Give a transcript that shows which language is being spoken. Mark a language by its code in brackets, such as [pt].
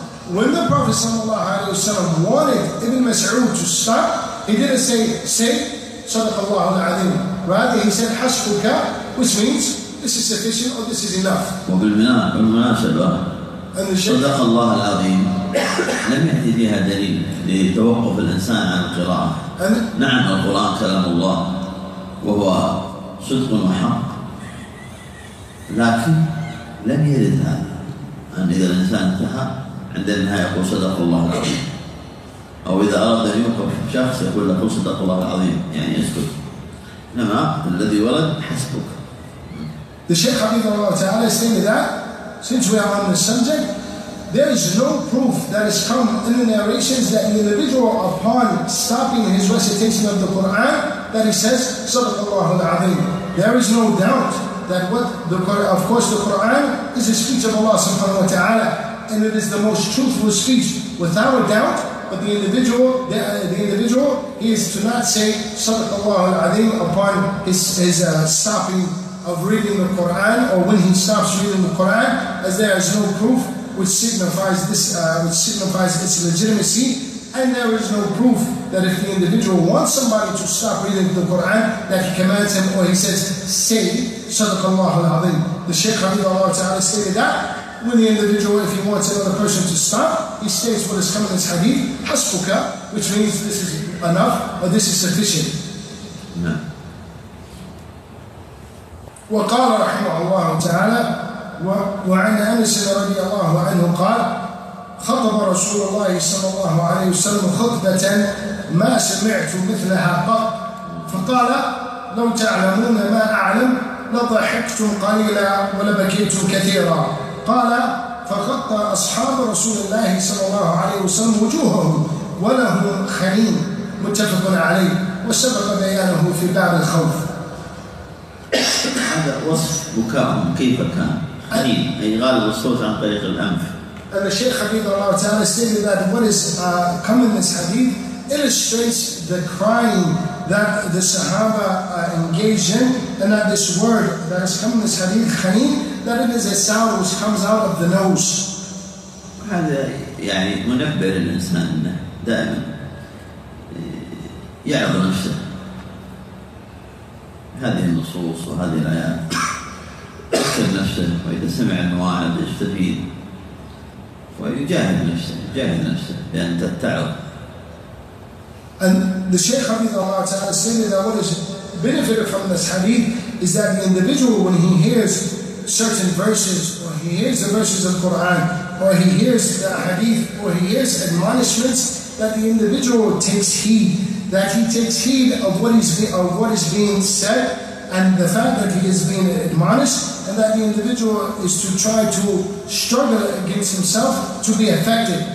[en] When the Prophet sallallahu alaihi wasallam wanted Ibn Mas'ud to stop, he didn't say [ar] صدق الله العظيم. [en] Rather, he said حسبُكَ, which means this is sufficient or this is enough. [ar] وبالمناسبة صدق الله العظيم لم يأتي فيها دليل لتوقف الإنسان عن القراءة. نعم القرآن كلام الله وهو صدق وحق، لكن لم يرد هذا أن إذا الإنسان انتهى عند النهاية يقول صدق الله العظيم، أو إذا أراد أن يوقف شخص يقول له صدق الله العظيم يعني يسكت. إنما الذي ورد حسبك. [en] The Shaykh [ar] حفظه الله تعالى [en] stated that since we are on this subject, there is no proof that has come in the narrations that an individual upon stopping his recitation of the Quran that he says [ar] صدق الله العظيم. [en] There is no doubt that what the Quran, of course the Quran is a speech of Allah subhanahu wa ta'ala and it is the most truthful speech without a doubt, but the individual he is to not say [ar] صدق الله العظيم [en] upon his stopping of reading the Quran or when he stops reading the Quran, as there is no proof which signifies its legitimacy, and there is no proof that if the individual wants somebody to stop reading the Quran, that he commands him or he says, say, صدق الله العظيم. The Shaykh [ar] حفظه الله تعالى [en] stated that when the individual, if he wants another person to stop, he states what is coming as hadith, حسبُكَ, which means this is enough or this is sufficient. [ar] وقال رحمه الله تعالى وعن أنس رضي الله عنه قال خطب رسول الله صلى الله عليه وسلم خطبة ما سمعت مثلها قط، فقال لو تعلمون ما أعلم لضحكتم قليلا ولبكيتم كثيرا. قال فغطى أصحاب رسول الله صلى الله عليه وسلم وجوههم ولهم خنين. متفق عليه، وسبق بيانه في باب الخوف. هذا وصف بكاءهم كيف كان أي غالب الصوت عن طريق الأنف. [en] And the Shaykh [ar] حفظه الله تعالى [en] stated that what is come in this hadith illustrates the crying that the Sahaba engaged in, and that this word that has come in this hadith خنين, that it is a sound which comes out of the nose. [ar] هذا يعني منبر الإنسان دائما يعظ نفسه هذه النصوص وهذه الآيات. يذكر نفسه وإذا سمع المواعظ يستفيد ويجاهد نفسه، يجاهد نفسه لأن تتعب. [en] And the Shaykh حفظه الله تعالى stated that what is benefited from this hadith is that the individual when he hears certain verses or he hears the verses of Quran or he hears the hadith or he hears admonishments, that the individual takes heed, that he takes heed of what is being said and the fact that he is being admonished, and that the individual is to try to struggle against himself to be affected.